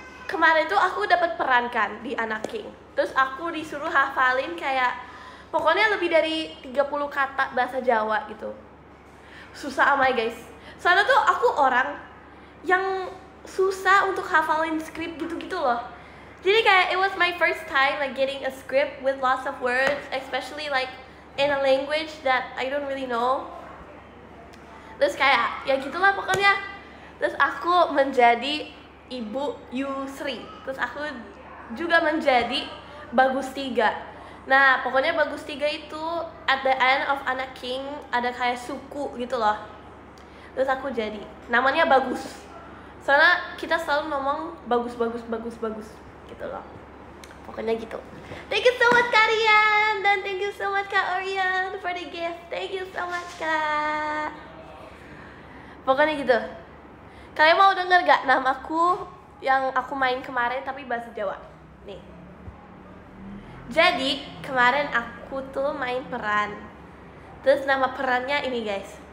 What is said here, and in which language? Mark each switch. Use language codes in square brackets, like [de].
[id] kemarin tuh aku dapat peran kan di Anak King. Terus aku disuruh hafalin kayak pokoknya lebih dari 30 kata bahasa Jawa gitu. Susah amai guys. Soalnya tuh aku orang yang susah untuk hafalin script gitu-gitu loh. Jadi kayak [en] it was my first time like getting a script with lots of words, especially like in a language that I don't really know. [id] Terus kayak ya gitulah pokoknya. Terus aku menjadi Ibu Yusri. Terus aku juga menjadi Bagus Tiga. Nah, pokoknya Bagus Tiga itu [en] at the end of [id] Anak King ada kayak suku gitu loh. Terus aku jadi namanya Bagus. Soalnya kita selalu ngomong bagus gitu loh. Pokoknya gitu. [en] Thank you so much Karian dan thank you so much Kak Orion for the gift. Thank you so much Kak. [id] Pokoknya gitu. Kalian mau denger gak nama aku yang aku main kemarin tapi bahasa Jawa? Nih. Jadi, kemarin aku tuh main peran. Terus nama perannya ini guys.